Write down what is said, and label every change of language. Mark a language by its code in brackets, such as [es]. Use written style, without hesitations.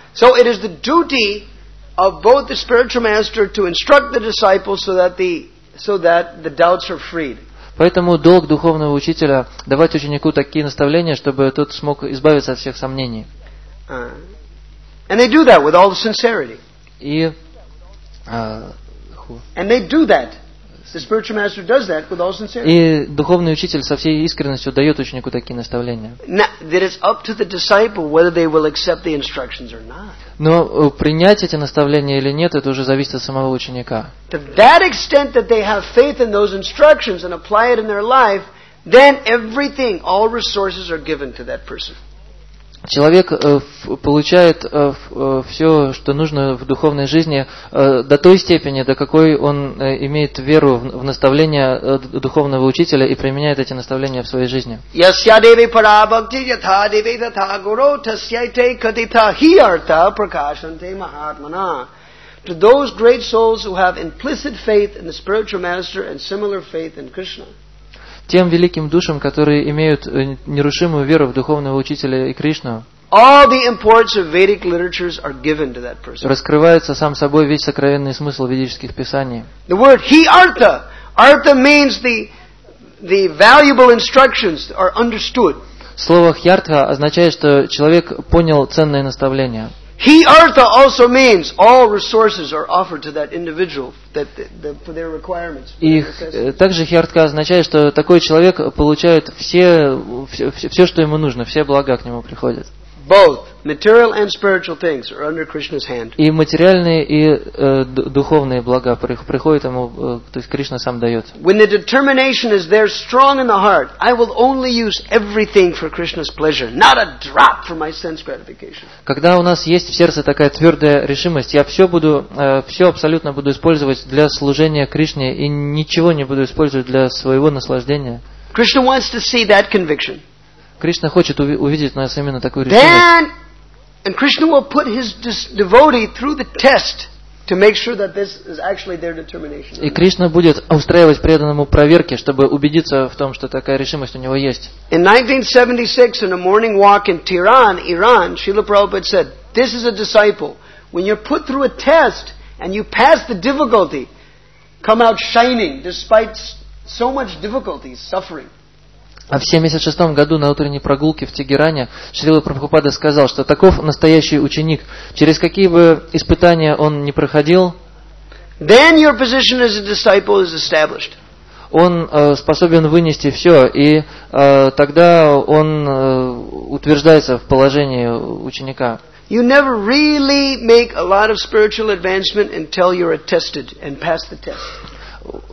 [en] So it is the duty of both the spiritual master to instruct the disciples so that the doubts are freed. [ru] Поэтому долг духовного учителя давать ученику такие наставления, чтобы тот смог избавиться от всех сомнений. [en] And they do that with all the sincerity. [ru] И [en] And they do that. The spiritual master does that with all sincerity. [ru] И духовный учитель со всей искренностью дает ученику такие наставления. [en] Now, it is up to the disciple whether they will accept the instructions or not. [ru] Но принять эти наставления или нет, это уже зависит от самого ученика. [en] To that extent that they have faith in those instructions and apply it in their life, then everything, all resources are given to that person. [ru] Человек получает все, что нужно в духовной жизни до той степени, до какой он имеет веру в наставления духовного учителя и применяет эти наставления в своей жизни. [sa] Ясья деви парабхакти ятха деви татха гуру тасьяйте кадитха хи артха пракашанте махатмана. [en] To those great souls who have implicit faith in the spiritual master and similar faith in Krishna. [ru] Тем великим душам, которые имеют нерушимую веру в духовного учителя и Кришну, [en] All the importance of Vedic literatures are given to that person. [ru] Раскрывается сам собой весь сокровенный смысл ведических писаний. [en] The word he artha, artha means the valuable instructions are understood. [ru] Слово хьартха означает, что человек понял ценное наставление. [en] He artha also means all resources are offered to that individual that the for their requirements. [ru] И также хьартха означает, что такой человек получает все, что ему нужно, все блага к нему приходят. [en] Both material and spiritual things are under Krishna's hand. [ru] И материальные и духовные блага приходят ему, то есть Кришна сам дает. [en] When the determination is there strong in the heart, I will only use everything for Krishna's pleasure, not a drop for my sense gratification. [ru] Когда у нас есть в сердце такая твердая решимость, я все абсолютно буду использовать для служения Кришне и ничего не буду использовать для своего наслаждения. [en] Krishna wants to see that conviction. [ru] Кришна хочет увидеть нас именно такую решимость. [en] Krishna will put his devotee through the test to make sure that this is actually their determination. [ru] И Кришна будет устраивать преданному проверки, чтобы убедиться в том, что такая решимость у него есть. [en] In 1976, in a morning walk in Tehran, Iran, Srila Prabhupada said, "This is a disciple. When you're put through a test and you pass the difficulty, come out shining despite so much difficulty, suffering." [ru] А в 76-м году на утренней прогулке в Тегеране Шрила Прабхупада сказал, что таков настоящий ученик. Через какие бы испытания он ни проходил, [en] Then your position as a disciple is established. [ru] Он способен вынести все, и тогда он утверждается в положении ученика. [en] You never really make a lot of spiritual advancement until you're attested and pass the test.